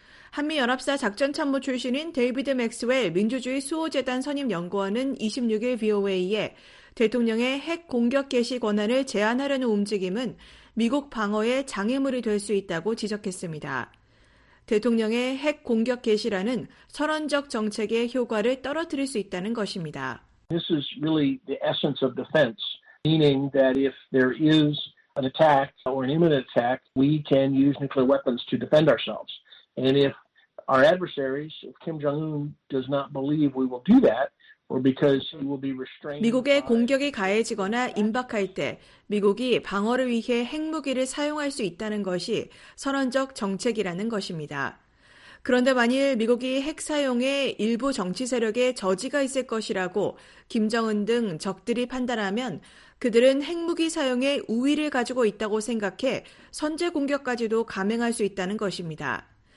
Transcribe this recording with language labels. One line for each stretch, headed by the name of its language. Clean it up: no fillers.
Korean: 한미연합사 작전참모 출신인 데이비드 맥스웰 민주주의 수호재단 선임연구원은 26일 VOA에 대통령의 핵 공격 개시 권한을 제한하려는 움직임은 미국 방어의 장애물이 될 수 있다고 지적했습니다. 대통령의 핵 공격 개시라는 선언적 정책의 효과를 떨어뜨릴 수 있다는 것입니다.
English: This is really the essence of defense, meaning that if there is an attack or an imminent attack, we can use nuclear weapons to defend ourselves. And if our adversaries, if Kim Jong-un does not believe we will do that, or because he will be restrained.
Korean: 미국의 공격이 가해지거나 임박할 때 미국이 방어를 위해 핵무기를 사용할 수 있다는 것이 선언적 정책이라는 것입니다. 그런데 만일 미국이 핵 사용에 일부 정치 세력의 저지가 있을 것이라고 김정은 등 적들이 판단하면 그들은 핵무기 사용에 우위를 가지고 있다고 생각해 선제 공격까지도 감행할 수 있다는 것입니다.